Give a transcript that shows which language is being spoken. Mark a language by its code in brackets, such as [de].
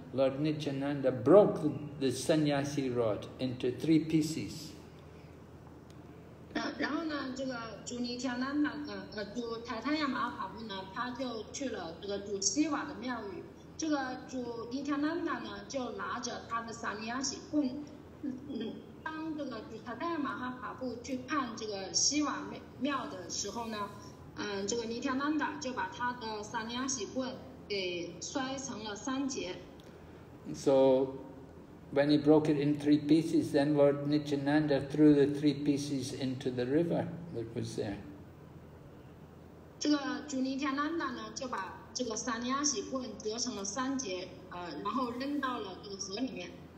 [en] Lord Nityananda broke the sannyasi rod into three pieces. [zh] 然后呢，这个主尼提兰达主塔塔亚马法布呢，他就去了这个主西瓦的庙宇。这个主尼提兰达呢，就拿着他的sannyasi棍。当这个主塔塔亚马法布去看这个西瓦庙的时候呢，这个尼提兰达就把他的sannyasi棍给摔成了三节。 [en] So, when he broke it in three pieces, then Lord Nityananda threw the three pieces into the river that was there. [zh] 这个主尼提兰达呢，就把这个三亚喜棍折成了三节，然后扔到了这个河里面。